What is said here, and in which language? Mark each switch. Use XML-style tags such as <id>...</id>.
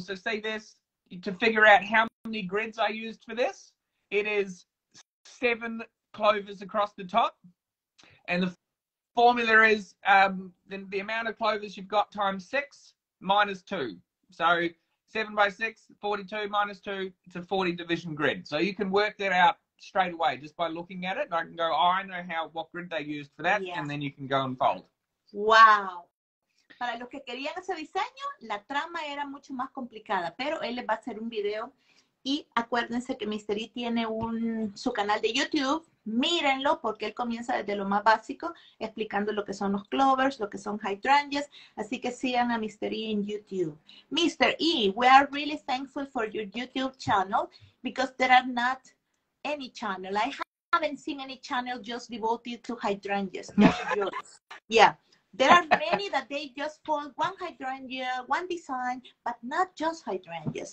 <en>So see this, to figure out how many grids I used for this, it is 7 clovers across the top, and the formula is the amount of clovers you've got times 6 minus 2. So 7 by 6, 42 minus 2, it's a 40 division grid. So you can work that out straight away just by looking at it, and I can go, oh, I know what grid they used for that. Yeah. And then you can go and fold. Wow.</en> <es>Para los que querían ese diseño, la trama era mucho más complicada, pero él les va a hacer un video. Y acuérdense que Mr. E tiene su canal de YouTube, mírenlo, porque él comienza desde lo más básico, explicando lo que son los clovers, lo que son hydrangeas, así que sigan a Mr. E en YouTube. Mr.</es> <en>E, we are really thankful for your YouTube channel, because there are not any channel. I haven't seen any channel just devoted to hydrangeas. Yeah. There are many that they just fold one hydrangea, one design, but not just hydrangeas.</en>